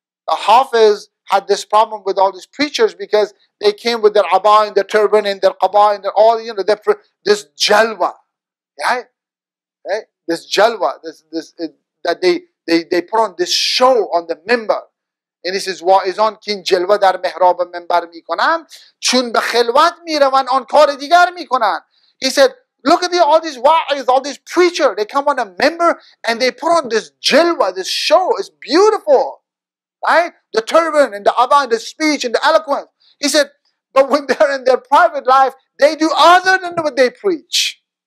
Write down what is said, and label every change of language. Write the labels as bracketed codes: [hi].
[en] The Hafiz had this problem with all these preachers because they came with their aba and their turban and their qaba and their all, you know, their, this jalwa. Right? This jalwa, that they put on this show on the minbar. And he says, [fa] واعظان کین جلوه در محراب منبر میکنن چون به خلوت میرون آن کار دیگر میکنن. [en] He said, look at all these wa'iz, all these preachers. They come on a member and they put on this jilwa, this show. It's beautiful. Right? The turban and the abba and the speech and the eloquence. He said, but when they're in their private life, they do other than what they preach.